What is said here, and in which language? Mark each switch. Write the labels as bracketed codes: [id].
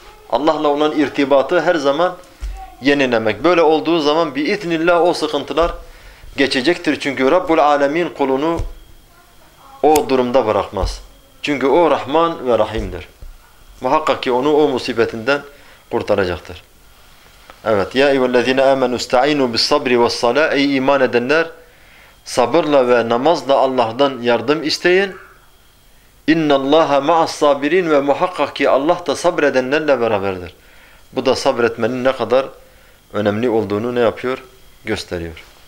[tr] Allah'la olan irtibatı her zaman yenilemek. Böyle olduğu zaman biiznillah o sıkıntılar geçecektir. Çünkü Rabbul Alemin kulunu o durumda bırakmaz. Çünkü o Rahman ve Rahim'dir. Muhakkak ki onu o musibetinden kurtaracaktır. Evet. [ar] يَا اِيُّ الَّذ۪ينَ اَمَنُوا اسْتَعِينُوا بِالصَّبْرِ وَالصَّلَاةِ [tr] Ey iman edenler! Sabırla ve namazla Allah'tan yardım isteyin. [ar] اِنَّ اللّٰهَ مَعَ الصَّابِرِينَ [tr] Ve muhakkak ki Allah da sabredenlerle beraberdir. Bu da sabretmenin ne kadar önemli olduğunu ne yapıyor? Gösteriyor.